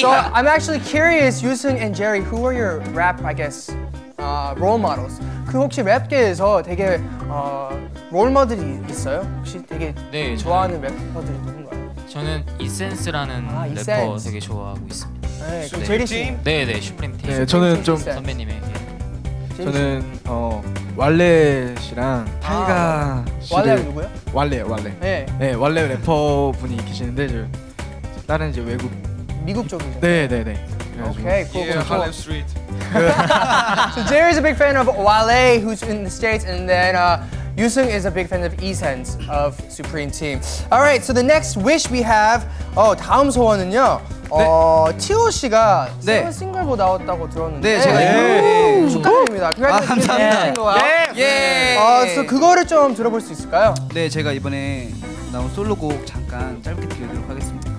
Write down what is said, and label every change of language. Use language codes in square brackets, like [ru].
[en] So I'm actually curious, Yusung and Jerry, who are your rap, I guess, role models? [ko] 그 혹시 랩계에서 되게 롤모델이 있어요? 혹시 되게 네, 좋아하는 래퍼들이 누군가요? 저는 이센스라는 래퍼 되게 좋아하고 있습니다. 네, 그럼 제리 씨. 네, 네, 슈프림 팀. 네, 저는 좀 선배님의. 예. 저는 왈레 씨랑 타이가 씨. 왈레 누구요? 왈레요, 왈레. 네. 네, 왈레 래퍼 분이 계시는데 저 다른 이제 외국. 미국 쪽이죠. 네, 네, 네. [en] 오케이, 쿨. So Jerry is a big fan of Wale, who's in the States, and then Yusung is a big fan of Essence of Supreme Team. All right, so the next wish we have, [ko] 다음 소원은요. 티오 씨가 새 싱글로 나왔다고 들었는데. 네, 제가 축하드립니다. 감사합니다. 예. 그래서 그거를 좀 들어볼 수 있을까요? 네, 제가 이번에 나온 솔로곡 잠깐 짧게 들려드리도록 하겠습니다.